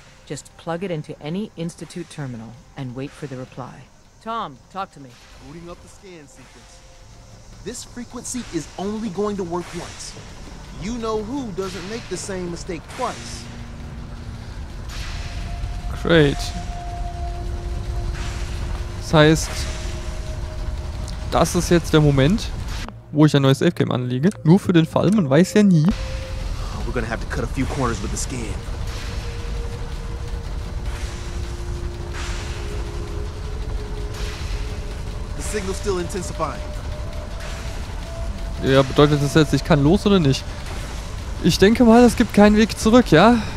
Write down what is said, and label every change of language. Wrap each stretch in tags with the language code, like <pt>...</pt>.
<en>Just plug it into any Institute terminal and wait for the reply. Tom, talk to me. Booting up the scan sequence. This frequency is only going to work once. You know who doesn't make the same mistake twice. Great.</en> <de>Das heißt, das ist jetzt der Moment, wo ich ein neues Safe-Cam anlege. Nur für den Fall, man weiß ja nie.</de> <en>We're gonna have to cut a few corners with the scan. The signal's still intensifying.</en> <de>Ja, bedeutet das jetzt, ich kann los oder nicht? Ich denke mal, es gibt keinen Weg zurück, ja?</de>